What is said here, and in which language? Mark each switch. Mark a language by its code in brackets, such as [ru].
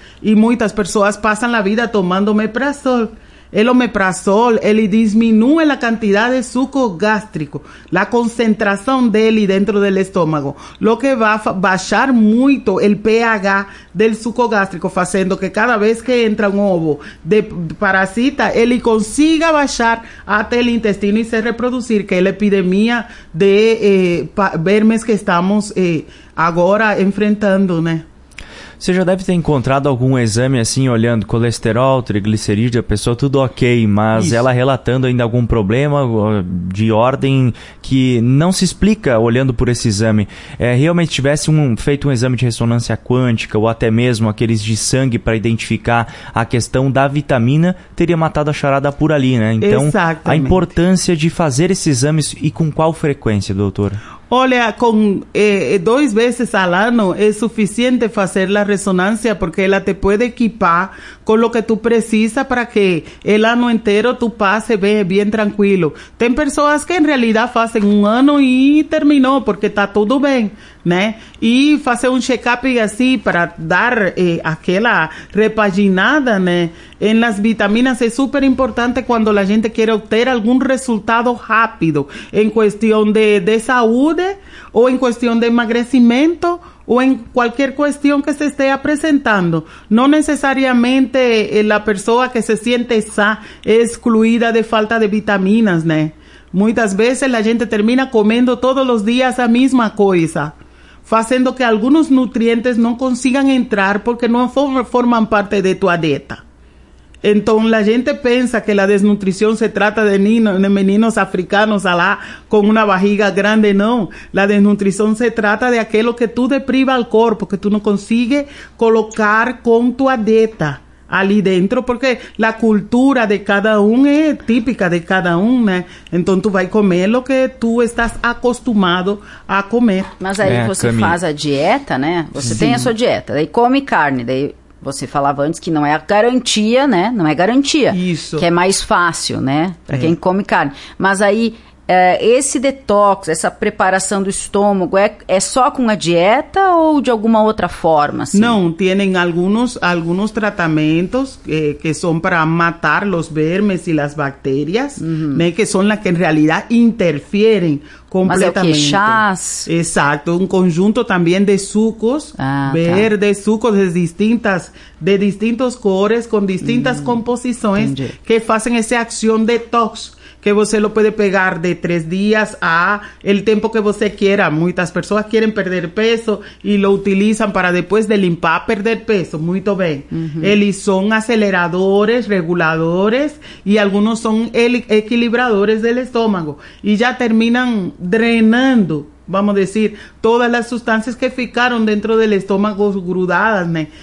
[es] Y muchas personas pasan la vida tomando omeprazol. El omeprazol, él disminuye la cantidad de suco gástrico, la concentración de él dentro del estómago, lo que va a bajar mucho el pH del suco gástrico, haciendo que cada vez que entra un ovo de parasita, él consiga bajar hasta el intestino y se reproducir, que es la epidemia de vermes que estamos ahora enfrentando, ¿no? [pt] Você já deve ter encontrado algum exame assim, olhando colesterol, triglicerídeo, a pessoa tudo ok, mas isso, ela relatando ainda algum problema de ordem que não se explica olhando por esse exame. Realmente tivesse feito um exame de ressonância quântica ou até mesmo aqueles de sangue para identificar a questão da vitamina, teria matado a charada por ali, né? Então, exatamente, a importância de fazer esses exames e com qual frequência, doutora? Olha, com dois vezes ao ano é suficiente fazer a ressonância, porque ela te pode equipar com o que tu precisa para que o ano inteiro tu passe bem, bem tranquilo. Tem pessoas que, em realidade, fazem um ano e terminou, porque está tudo bem, né? E fazer um check-up assim para dar aquela repaginada, né? [es] En las vitaminas es súper importante cuando la gente quiere obtener algún resultado rápido en cuestión de salud o en cuestión de emagrecimiento o en cualquier cuestión que se esté presentando. No necesariamente la persona que se siente esa excluida de falta de vitaminas, ¿no? Muchas veces la gente termina comiendo todos los días la misma cosa, haciendo que algunos nutrientes no consigan entrar porque no forman parte de tu dieta. Entonces la gente piensa que la desnutrición se trata de niños, de meninos africanos alá con una barriga grande. No, la desnutrición se trata de aquello que tú deprivas al cuerpo, que tú no consigues colocar con tu dieta allí dentro, porque la cultura de cada uno es típica de cada uno, ¿no? Entonces tú vas a comer lo que tú estás acostumbrado a comer. [pt] Mas aí você faz a dieta, né? Você tem a sua dieta, daí come carne, daí você falava antes que não é a garantia, né? Não é garantia. Isso. Que é mais fácil, né? Para quem come carne. Mas aí, esse detox, essa preparação do estômago, é só com a dieta ou de alguma outra forma? Assim? Não, tem alguns tratamentos que são para matar os vermes e as bactérias, uhum. Né? Que são as que, em realidade, interferem completamente. Mas é o quê? Chás? Exato, um conjunto também de sucos, verdes, sucos de distintos cores, com distintas composições, entendi. Que fazem essa ação detox. [es] Que você lo puede pegar de 3 días a el tiempo que você quiera. Muchas personas quieren perder peso y lo utilizan para después de limpar perder peso. Muy bien. Uh-huh. Ellos son aceleradores, reguladores y algunos son equilibradores del estómago. Y ya terminan drenando, vamos a decir, todas las sustancias que ficaron dentro del estómago grudadas, ¿no?